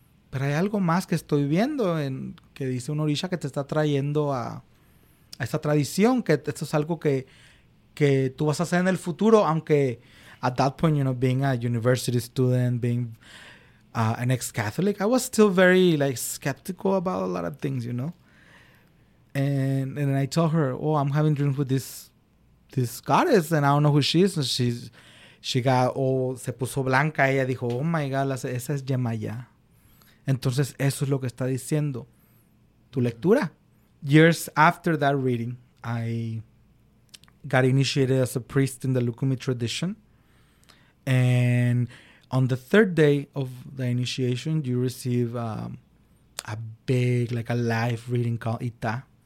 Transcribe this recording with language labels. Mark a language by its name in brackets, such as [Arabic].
[Spanish] Pero hay algo más que estoy viendo en que dice un orisha que te está trayendo a esta tradición, que esto es algo que tú vas a hacer en el futuro, aunque [English] at that point, you know, [Spanish] being a university student, being an ex-Catholic, I was still very, like, skeptical about a lot of things, you know? [English] And I told her, oh, I'm having dreams with this goddess, and I don't know who she is, and [Spanish] se puso blanca, ella dijo, [English] oh my God, [Spanish] esa es Yemaya. Entonces, eso es lo que está diciendo tu lectura. [English] Years after that reading, I got initiated as a priest in the Lukumi tradition. And on the third day of the initiation, you receive a big, like a live reading called Ita.